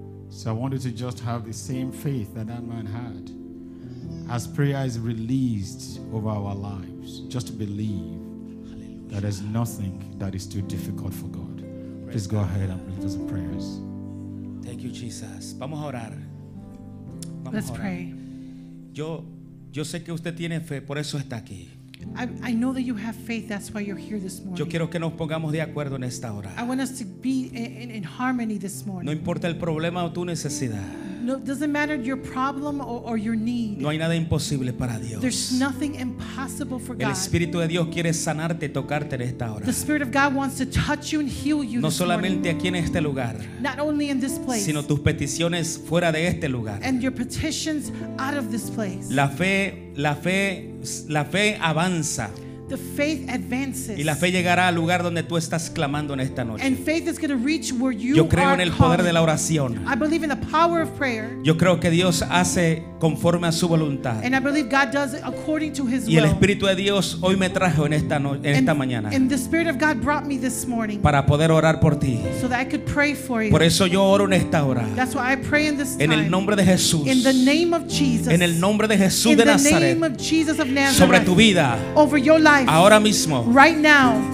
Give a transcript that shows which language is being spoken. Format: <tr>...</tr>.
<en>So I wanted to just have the same faith that that man had. As prayer is released over our lives, just believe that there's nothing that is too difficult for God. Please go ahead and lead us in prayers. Thank you, Jesus.</en> <es>Vamos a orar.</es> <en>Let's pray.</en> <es>Yo sé que usted tiene fe, por eso está aquí.</es> <en>I know that you have faith, that's why you're here this morning.</en> <es>Yo quiero que nos pongamos de acuerdo en esta hora.</es> <en>I want us to be in harmony this morning.</en> <es>No importa el problema o tu necesidad.</es> <en>No, it doesn't matter your problem or your need.</en> <es>No hay nada imposible para Dios.</es> <en>There's nothing impossible for God.</en> <es>El Espíritu de Dios quiere sanarte, tocarte en esta hora.</es> <en>The Spirit of God wants to touch you and heal you.</en> <es>No solamente aquí en este lugar.</es> <en>Not only in this place.</en> <es>Sino tus peticiones fuera de este lugar.</es> <en>And your petitions out of this place.</en> <es>La fe avanza.</es> <en>The faith advances.</en> <es>Y la fe llegará al lugar donde tú estás clamando en esta noche.</es> <en>And faith is going to reach where you</en> <es>Yo creo</es> <en>are</en> <es>en el poder</es> <en>calling.</en> <es>De la oración.</es> <en>I believe in the power of prayer.</en> <es>Yo creo que Dios hace conforme a su voluntad.</es> <en>And I believe God does it according to his</en> <es>y Y el Espíritu de Dios hoy me trajo en esta en</es> <en>and,</en> <es>esta mañana.</es> <en>And the Spirit of God brought me this morning.</en> <es>Para poder orar por ti.</es> <en>So that I could pray for you.</en> <es>Por eso yo oro en esta hora.</es> <en>That's why I pray in this time.</en> <es>En el nombre de Jesús.</es> <en>In the name of Jesus.</en> <es>En el nombre de Jesús</es> <en>in</en> <es>de Nazaret.</es> <en>In the name of Jesus of Nazareth.</en> <es>Sobre tu vida.</es> <en>Over your life. life.</en> <es>Ahora mismo.</es> <en>Right now.</en>